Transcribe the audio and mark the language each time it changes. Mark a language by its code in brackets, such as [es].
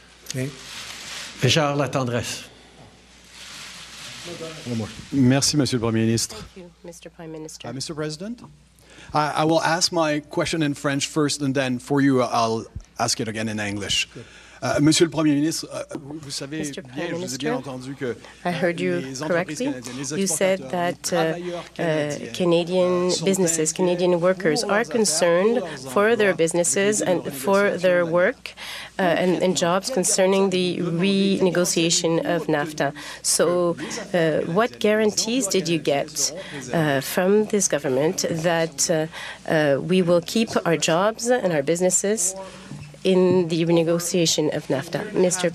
[en] Okay. Richard Latendresse. One more. [fr] Merci, Monsieur le Premier Ministre. [en] Thank you, Mr. Prime Minister. Mr. President, I will ask my question in French first, and then for you, I'll ask it again in English. [fr] Monsieur le Premier Ministre, vous savez bien, je vous ai bien entendu que [en] I heard you correctly. You said that Canadian businesses, Canadian workers are concerned for their businesses and for their work and jobs concerning the renegotiation of NAFTA. So what guarantees did you get from this government that we will keep our jobs and our businesses in the renegotiation of NAFTA, Mr.